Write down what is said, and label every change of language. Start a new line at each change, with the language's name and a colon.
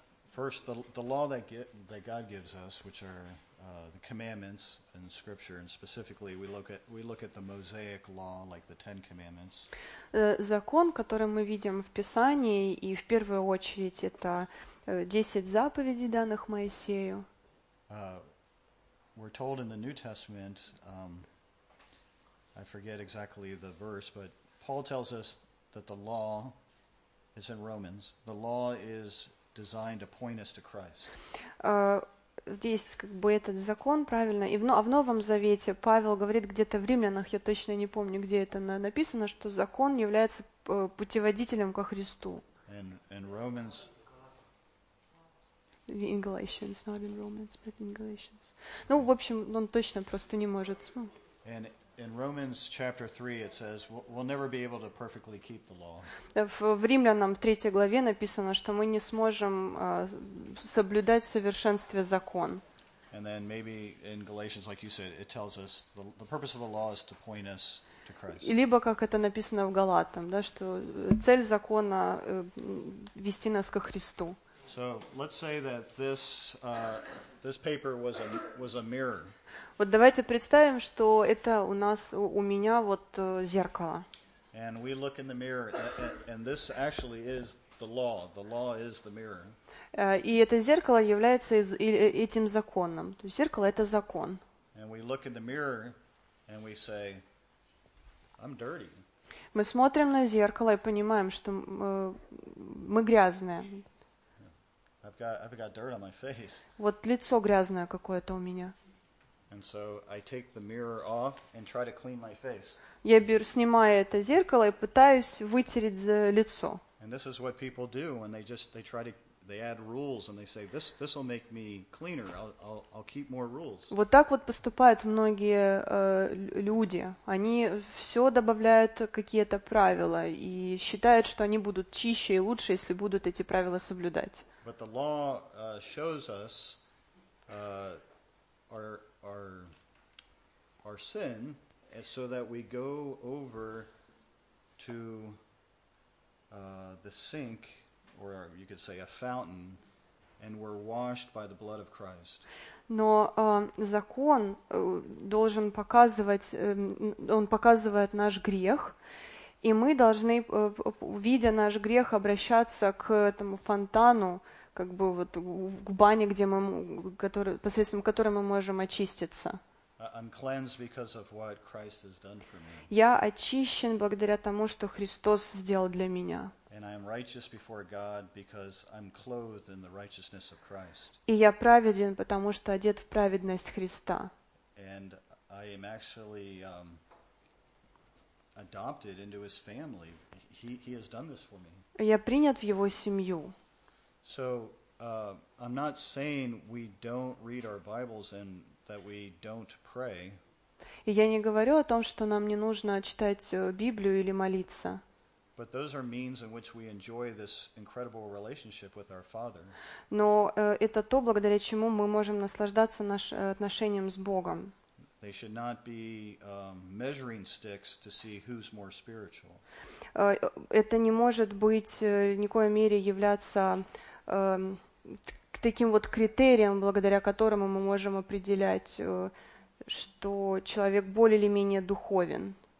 English: First the law that God gives us, which are the commandments in Scripture, and specifically we look at the Mosaic law, like the Ten Commandments.
Russian: Закон, который мы видим в Писании, и в первую очередь это 10 заповедей, данных Моисею.
English: We're told in the New Testament. I forget exactly the verse, but Paul tells us that the law, it's in Romans, the law is designed to point us to Christ.
Russian: есть как бы этот закон, правильно? И в, а в Новом Завете Павел говорит где-то в Римлянах, я точно не помню, где это написано, что закон является путеводителем ко Христу.
English: In Romans. In Galatians, not in Romans, but in Galatians.
Russian: Ну, в общем, он точно просто не может.
English: And in Romans chapter 3 it says we'll never be able to perfectly keep the law.
Russian: В Римлянам 3 главе написано, что мы не сможем соблюдать в совершенстве закон.
English: And then maybe in Galatians, like you said, it tells us the purpose of the law is to point us.
Russian: И либо, как это написано в Галатам, да, что цель закона вести нас ко Христу.
English: So, let's say that this paper was a mirror.
Russian: Вот давайте представим, что это у нас, у меня вот зеркало.
English: And we look in the mirror, and this actually is the law. The law is the mirror.
Russian: И это зеркало является этим законом. То есть зеркало — это закон.
English: And we look in the mirror, and we say, I'm dirty.
Russian: Мы смотрим на зеркало и понимаем, что мы грязные.
English: I've got dirt on my face.
Russian: Вот лицо грязное какое-то у меня.
English: And so I take the mirror off and try to clean my face.
Russian: Я беру, снимаю это зеркало и пытаюсь вытереть лицо.
English: And this is what people do when they add rules and they say this will make me cleaner. I'll keep more rules.
Russian: Вот так вот поступают многие люди. Они все добавляют какие-то правила и считают, что они будут чище и лучше, если будут эти правила соблюдать.
English: But the law shows us our sin, so that we go over to the sink. Or you could say a fountain, and we're washed by the blood of Christ.
Russian: Но закон должен показывать, он показывает наш грех, и мы должны, видя наш грех, обращаться к этому фонтану, как бы вот к бане, где мы, который, посредством которой мы можем очиститься.
English: I'm cleansed because of what Christ has done for me.
Russian: Я очищен благодаря тому, что Христос сделал для меня.
English: And I am righteous before God because I'm clothed in the righteousness of Christ.
Russian: И я праведен, потому что одет в праведность Христа.
English: And I am actually adopted into His family. He has done this for me.
Russian: Я принят в Его семью.
English: So I'm not saying we don't read our Bibles and that we don't pray.
Russian: И я не говорю о том, что нам не нужно читать Библию или молиться.
English: But those are means in which we enjoy this incredible relationship with our Father.
Russian: Но это то, благодаря чему мы можем наслаждаться отношением с Богом.
English: They should not be measuring sticks to see who's more spiritual.
Russian: Это не может быть никоей мере являться таким вот критерием, благодаря которому мы можем определять, что человек более или менее духовен.